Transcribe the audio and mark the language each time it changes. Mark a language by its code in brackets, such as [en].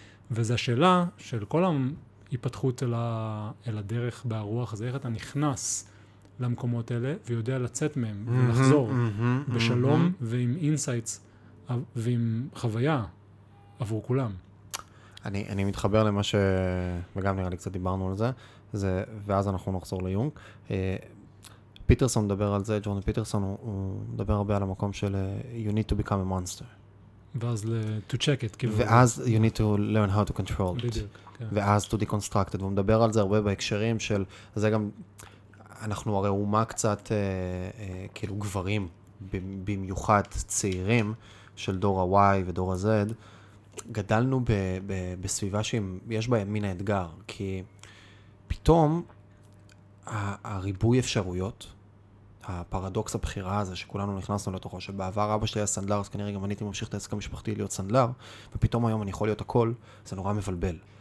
[he] וזו השאלה של כל ההיפתחות אל הדרך בהרוח, זה איך אתה נכנס למקומות האלה ויודע לצאת מהם ולחזור בשלום ועם אינסייטס, ועם חוויה עבור כולם. אני מתחבר למה ש... וגם נראה לי קצת דיברנו על זה, ואז אנחנו נחזור ליונג. פיטרסון מדבר על זה, ג'ורדן פיטרסון, הוא מדבר הרבה על המקום של [en] you need to become a monster. [he] ואז [en] to check it. [he] ואז [en] you need to learn how to control it. [he] בדיוק. ואז [en] to deconstruct it. [he] והוא מדבר על זה הרבה בהקשרים של... זה גם... אנחנו הרי אומה קצת כאילו גברים, במיוחד צעירים, של דור ה-Y ודור ה-Z, גדלנו בסביבה שיש בה מין האתגר, כי פתאום הריבוי אפשרויות, הפרדוקס הבחירה הזה שכולנו נכנסנו לתוכו, שבעבר אבא שלי היה סנדלר, אז כנראה גם אני הייתי ממשיך את העסק המשפחתי להיות סנדלר, ופתאום היום אני יכול להיות הכל, זה נורא מבלבל.